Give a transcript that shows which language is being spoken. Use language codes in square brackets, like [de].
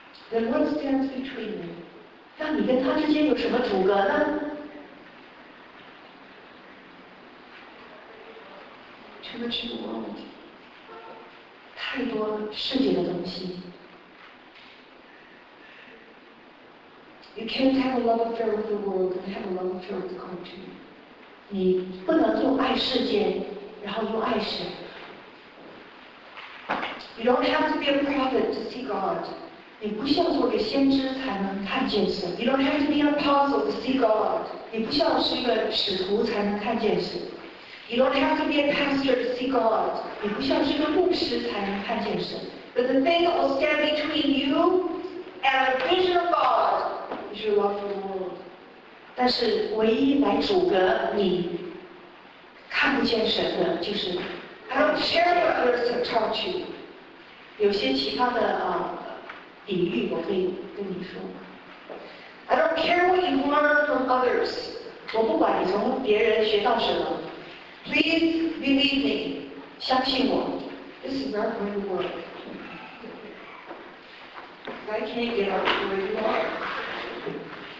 [en] Then what stands between you? [zh] 那你跟他之间有什么阻隔呢？ [en] Too much in the world. [zh] 太多世界的东西。 [en] You can't have a love affair with the world and have a love affair with God too. [zh] 你不能又爱世界，然后又爱神。 [en] You don't have to be a prophet to see God. [zh] 你不需要做个先知才能看见神。 [en] You don't have to be an apostle to see God. [zh] 你不需要是一个使徒才能看见神。 [en] You don't have to be a pastor to see God. [zh] 你不需要是一个牧师才能看见神。 [en] But the thing that will stand between you and a vision of God is your love for the world. [zh] 但是唯一来阻隔你看不见神的就是。 [en] I don't care what others have taught you. [zh] 有些其他的啊。比喻我可以跟你说 [en] I don't care what you learn from others. [zh] 我不管你从别人学到什么 [en] Please believe me. [zh] 相信我 [en] This is not going to work. I can't get up to where you are.